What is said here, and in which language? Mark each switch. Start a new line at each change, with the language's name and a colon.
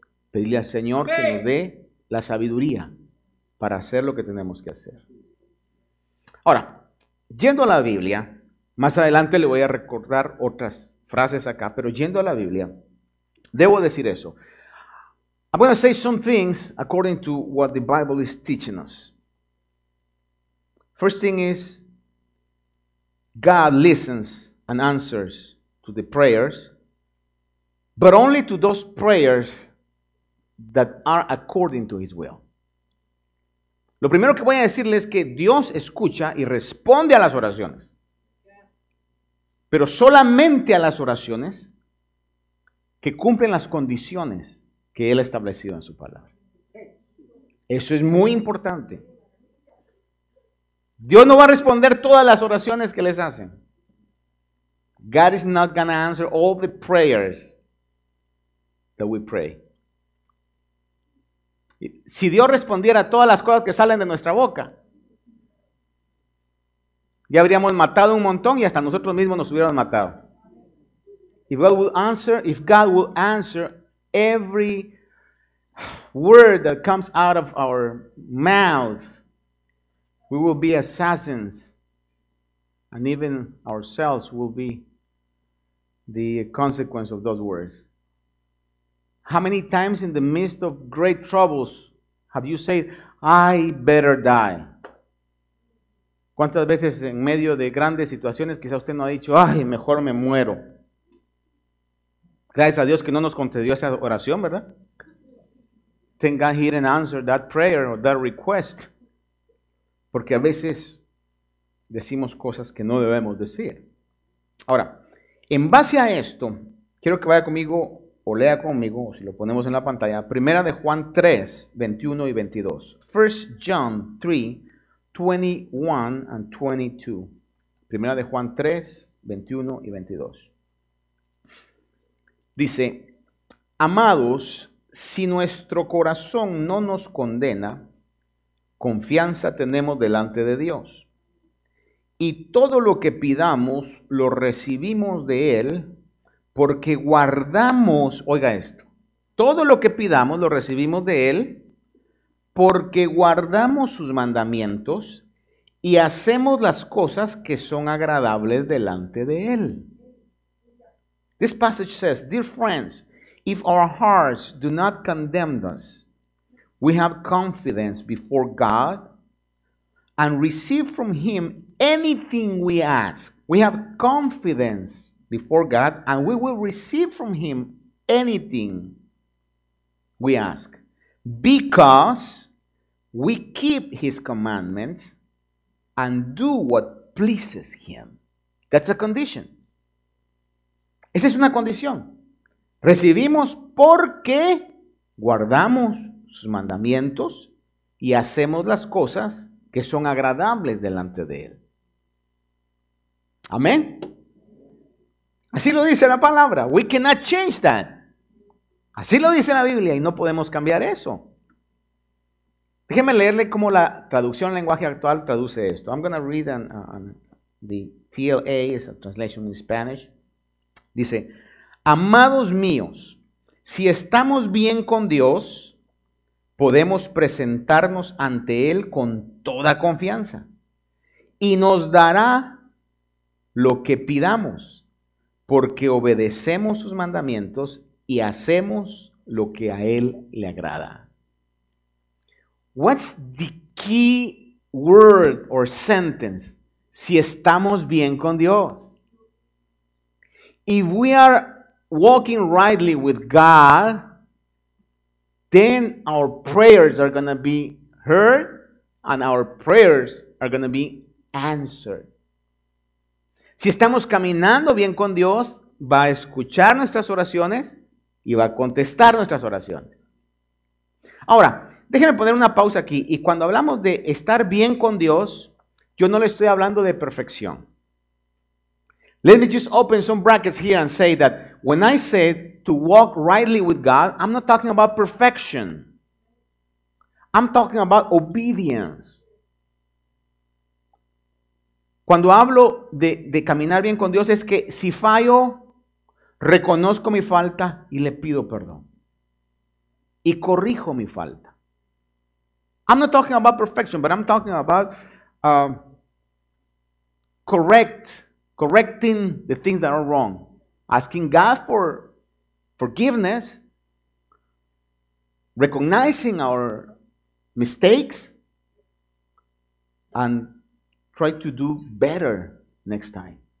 Spanish: Pedirle al Señor que nos dé la sabiduría para hacer lo que tenemos que hacer. Ahora, yendo a la Biblia, más adelante le voy a recordar otras frases acá, pero yendo a la Biblia, debo decir eso.
English: I'm going to say some things according to what the Bible is teaching us. First thing is, God listens and answers to the prayers, but only to those prayers that are according to His will.
Spanish: Lo primero que voy a decirles es que Dios escucha y responde a las oraciones, pero solamente a las oraciones que cumplen las condiciones que Él ha establecido en su palabra. Eso es muy importante. Dios no va a responder todas las oraciones que les hacen.
English: God is not going to answer all the prayers that we pray.
Spanish: Si Dios respondiera a todas las cosas que salen de nuestra boca, ya habríamos matado un montón y hasta nosotros mismos nos hubiéramos matado.
English: If God will answer, every word that comes out of our mouth, we will be assassins, and even ourselves will be the consequence of those words. How many times in the midst of great troubles have you said, I better die?
Spanish: ¿Cuántas veces en medio de grandes situaciones quizá usted no ha dicho, ay, mejor me muero? Gracias a Dios que no nos concedió esa oración, ¿verdad?
English: Thank God he didn't answer that prayer or that request.
Spanish: Porque a veces decimos cosas que no debemos decir. Ahora, en base a esto, quiero que vaya conmigo o lea conmigo, o si lo ponemos en la pantalla, Primera de Juan 3, 21 y 22.
English: 1 John 3, 21 and 22.
Spanish: Primera de Juan 3, 21 y 22. Dice, amados, si nuestro corazón no nos condena, confianza tenemos delante de Dios. Y todo lo que pidamos lo recibimos de Él porque guardamos, oiga esto, todo lo que pidamos lo recibimos de Él porque guardamos sus mandamientos y hacemos las cosas que son agradables delante de Él.
English: This passage says, dear friends, if our hearts do not condemn us, we have confidence before God and receive from Him anything we ask. We have confidence before God and we will receive from Him anything we ask because we keep His commandments and do what pleases Him. That's a condition.
Spanish: Esa es una condición. Recibimos porque guardamos sus mandamientos y hacemos las cosas que son agradables delante de Él. Amén. Así lo dice la palabra.
English: We cannot change that.
Spanish: Así lo dice la Biblia y no podemos cambiar eso. Déjeme leerle cómo la traducción lenguaje actual traduce esto.
English: I'm going to read the TLA, is a translation in Spanish.
Spanish: Dice, amados míos, si estamos bien con Dios, podemos presentarnos ante Él con toda confianza y nos dará lo que pidamos porque obedecemos sus mandamientos y hacemos lo que a él le agrada.
English: What's the key word or sentence
Spanish: si estamos bien con Dios?
English: If we are walking rightly with God, then our prayers are going to be heard and our prayers are going to be answered.
Spanish: Si estamos caminando bien con Dios, va a escuchar nuestras oraciones y va a contestar nuestras oraciones. Ahora, déjenme poner una pausa aquí. Y cuando hablamos de estar bien con Dios, yo no le estoy hablando de perfección.
English: Let me just open some brackets here and say that when I said to walk rightly with God, I'm not talking about perfection. I'm talking about obedience.
Spanish: Cuando hablo de caminar bien con Dios, es que si fallo, reconozco mi falta y le pido perdón. Y corrijo mi falta.
English: I'm not talking about perfection, but I'm talking about correcting the things that are wrong. Asking God for forgiveness, recognizing our mistakes, and try to do better next time.